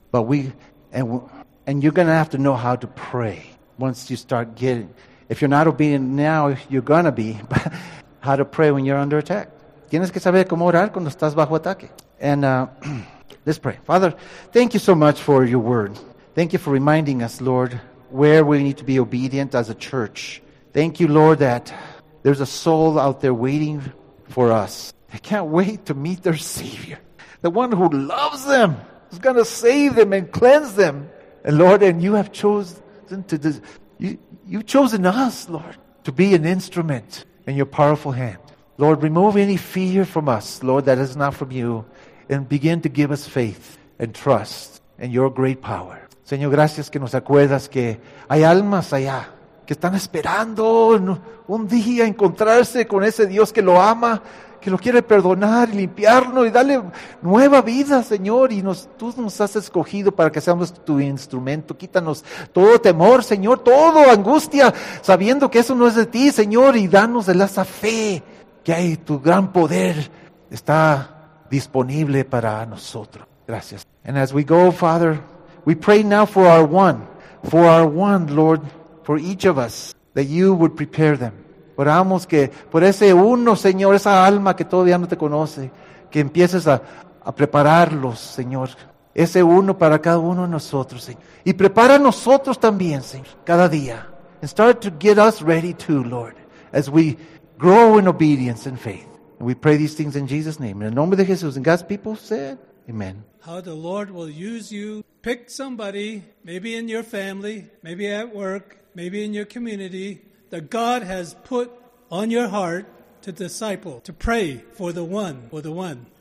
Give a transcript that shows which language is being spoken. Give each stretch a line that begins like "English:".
English: But and you're going to have to know how to pray. Once you start getting. If you're not obedient now, you're going to be. How to pray when you're under attack.
Spanish: Tienes que saber cómo orar cuando estás bajo ataque.
English: And let's pray. Father, thank you so much for your word. Thank you for reminding us, Lord, where we need to be obedient as a church. Thank you, Lord, that there's a soul out there waiting for us. They can't wait to meet their Savior. The one who loves them is going to save them and cleanse them. And Lord, and you have chosen you've chosen us, Lord, to be an instrument in your powerful hand. Lord, remove any fear from us, Lord, that is not from you, and begin to give us faith and trust in your great power.
Spanish: Señor, gracias que nos acuerdas que hay almas allá que están esperando un día encontrarse con ese Dios que lo ama, que lo quiere perdonar y limpiarnos y darle nueva vida, Señor. Y tú nos has escogido para que seamos tu instrumento. Quítanos todo temor, Señor, todo angustia, sabiendo que eso no es de ti, Señor. Y danos esa fe que hay, tu gran poder está disponible para nosotros. Gracias.
English: And as we go, Father, we pray now for our one, Lord, for each of us, that you would prepare them.
Spanish: Oramos que por ese uno, Señor, esa alma que todavía no te conoce, que empieces a prepararlos, Señor. Ese uno para cada uno de nosotros, Señor. Y prepara a nosotros también, Señor, cada día.
English: And start to get us ready too, Lord, as we grow in obedience and faith. And we pray these things in Jesus' name. In the name of Jesus, and God's people said, amen. How the Lord will use you. Pick somebody, maybe in your family, maybe at work, maybe in your community, that God has put on your heart to disciple, to pray for the one.